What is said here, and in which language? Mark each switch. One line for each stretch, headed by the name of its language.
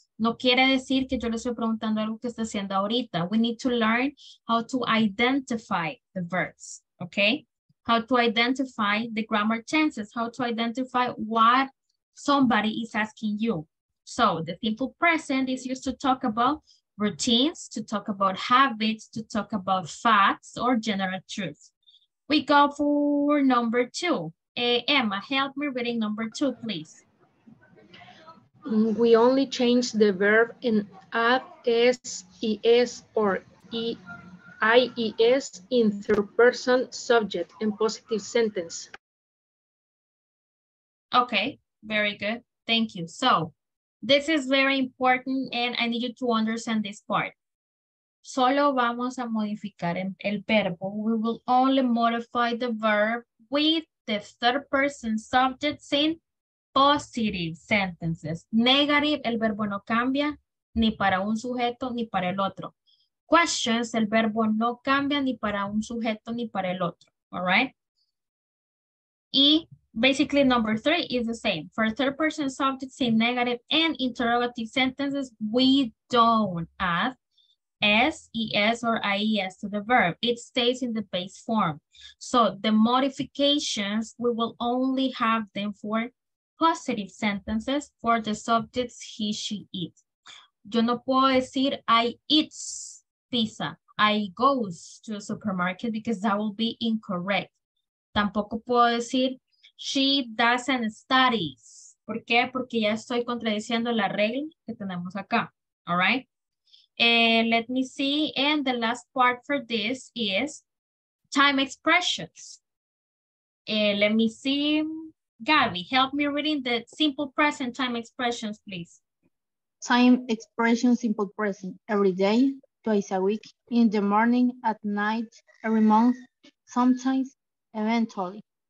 Spanish: No quiere decir que yo le estoy preguntando algo que está haciendo ahorita.
English: We need to learn how to identify the verbs, okay? How to identify the grammar tenses, how to identify what somebody is asking you. So the simple present is used to talk about routines, to talk about habits, to talk about facts or general truths. We go for number two. Emma, help me reading number two, please. We only change the verb in add S-E-S or I-E-S in third person subject in positive sentence. Okay, very good. Thank you. So this is very important and I need you to understand this part.
Spanish: Solo vamos a modificar el verbo.
English: We will only modify the verb with the third person subjects in positive sentences. Negative,
Spanish: el verbo no cambia ni para un sujeto ni para el otro.
English: Questions,
Spanish: el verbo no cambia ni para un sujeto ni para el otro.
English: All right? Y basically number three is the same. For third person subjects in negative and interrogative sentences, we don't add S, E-S, or I-E-S to the verb. It stays in the base form. So the modifications, we will only have them for positive sentences for the subjects he, she, it.
Spanish: Yo no puedo decir
English: I eats pizza. I goes to a supermarket because that will be incorrect.
Spanish: Tampoco puedo decir
English: she doesn't studies.
Spanish: ¿Por qué? Porque ya estoy contradiciendo la regla que tenemos acá.
English: All right? Let me see, and the last part for this is time expressions. Let me see, Gabby, help me reading the simple present time expressions, please. Time expression, simple present. Every day, twice a week, in the morning, at night, every month, sometimes, eventually.